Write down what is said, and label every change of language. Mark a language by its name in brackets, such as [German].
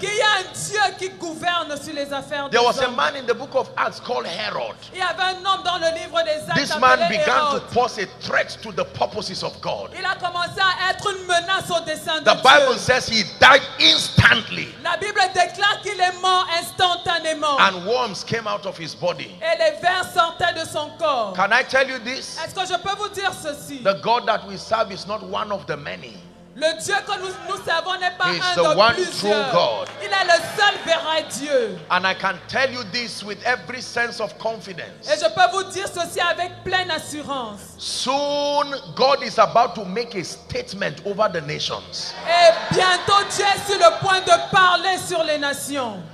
[French] Qu'il y a un Dieu qui gouverne sur les affaires des hommes. [English] There was a man in the book of Acts called Herod. [French] Il y avait un homme dans le livre des Actes. [English] This man began [French] Herod. [English] To pose a threat to the purposes of God. [French] Il a commencé à être une menace au destin. [English] The Bible says he died instantly. [French] La Bible déclare qu'il est mort instantanément. [English] And worms came out of his body. [French] Et les vers sortaient de son corps. [English] Can I tell you this? [French] Est-ce que je peux vous dire ceci? [English] The God that we serve is not one of the many. [French] Le Dieu que nous servons n'est pas [English] He's [French] un de [English] one [French] plusieurs. [English] True God. [French] Il est le seul vrai Dieu. [English] And I can tell you this with every sense of confidence. [French] Et je peux vous dire ceci avec pleine assurance. [English] Soon, God is about to make a statement over the nations. [French] Et bientôt, Dieu est sur le point de parler sur les nations.